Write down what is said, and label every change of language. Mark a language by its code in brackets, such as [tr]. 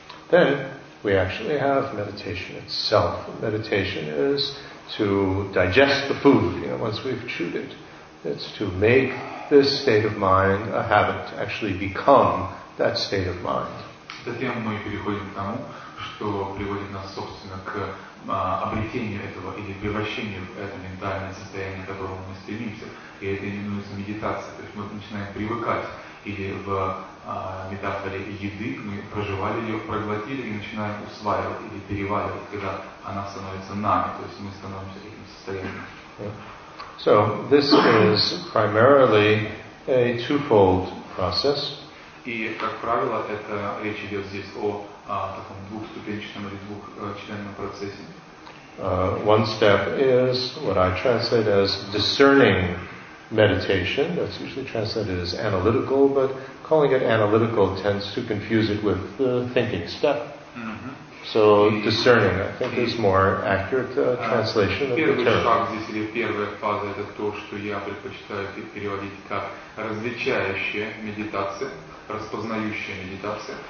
[en] Then we actually have meditation itself. Meditation is to digest the food, you know, once we've chewed it. It's to make this state of mind a habit, to actually become that state of mind. [ru] Затем мы переходим к тому, что приводит нас, собственно, к обретению этого или превращению в это ментальное состояние, к которому мы стремимся. И это именуется медитация. То есть мы начинаем привыкать. Или в метафоре еды мы проживали ее, проглотили и начинаем усваивать или переваривать, когда она становится нами, то есть мы становимся этим состоянием. Yeah. [en] So this is primarily a twofold process. [ru] И, как правило, это речь идет здесь о таком двухступенчатом или двухчленном процессе. [en] One step is what I translate as discerning meditation, that's usually translated as analytical, but calling it analytical tends to confuse it with the thinking step. Mm-hmm. So discerning, I think, is more accurate translation of the term. [ru] Первый шаг здесь, или первая фаза, это то, что я предпочитаю переводить как различающая медитация, распознающая медитация.